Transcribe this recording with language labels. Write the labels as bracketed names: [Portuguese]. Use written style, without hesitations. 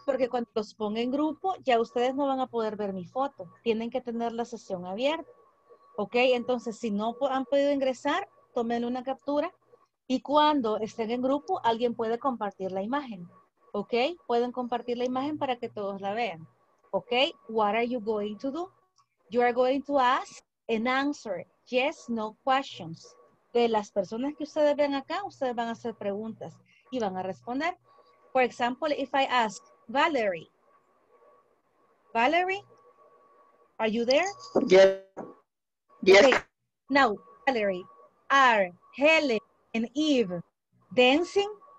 [Spanish] Porque cuando los ponga en grupo, ya ustedes no van a poder ver mi foto. Tienen que tener la sesión abierta. ¿Ok? Entonces, si no han podido ingresar, tómenle una captura. Y cuando estén en grupo, alguien puede compartir la imagen. ¿Ok? Pueden compartir la imagen para que todos la vean. [English] ¿Ok? What are you going to do? You are going to ask and answer yes, no questions. [Spanish] De las personas que ustedes ven acá, ustedes van a hacer preguntas y van a responder. [English] For example, if I ask Valerie, Valerie, are you there? Yes. Yes. Okay. Now, Valerie, are Helen and Eve dancing?